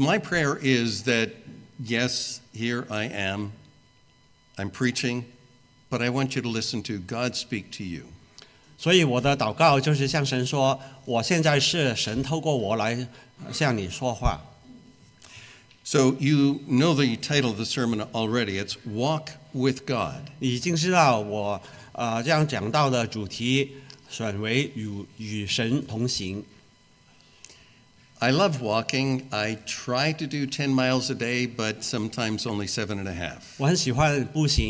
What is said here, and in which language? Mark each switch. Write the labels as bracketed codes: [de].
[en] my prayer is that, yes, here I am. I'm preaching, but I want you to listen to God speak to you. [zh] 所以我的祷告就是向神说,我现在是神透过我来 [en] So you know the title of the sermon already. It's Walk with God. [zh] 已经知道我这样讲到的主题选为与神同行。 [en] I love walking. I try to do 10 miles a day, but sometimes only 7.5.